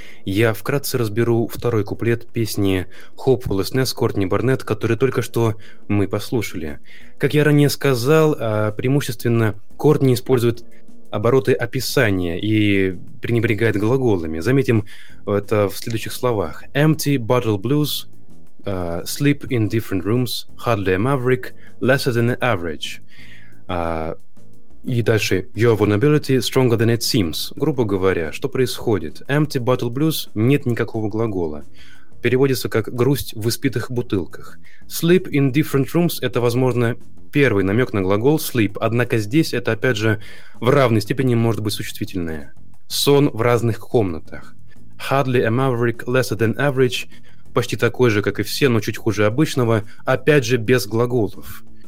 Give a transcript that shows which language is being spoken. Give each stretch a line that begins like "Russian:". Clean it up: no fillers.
Russian: Я вкратце разберу второй куплет песни «Hopelessness» Кортни Барнетт, который только что мы послушали. Как я ранее сказал, преимущественно Кортни использует обороты описания и пренебрегает глаголами. Заметим это в следующих словах.
English: Empty bottle blues, sleep in different rooms, hardly a maverick, lesser than average.
Russian: И дальше.
English: Your vulnerability stronger than it seems.
Russian: Грубо говоря, что происходит?
English: Empty bottle blues,
Russian: нет никакого глагола. переводится как «грусть в испитых бутылках».
English: «Sleep in different rooms»
Russian: — это, возможно, первый намек на глагол «sleep», однако здесь это, опять же, в равной степени может быть существительное. «Сон в разных комнатах».
English: «Hardly a maverick, lesser than average»
Russian: — почти такой же, как и все, но чуть хуже обычного, опять же, без глаголов.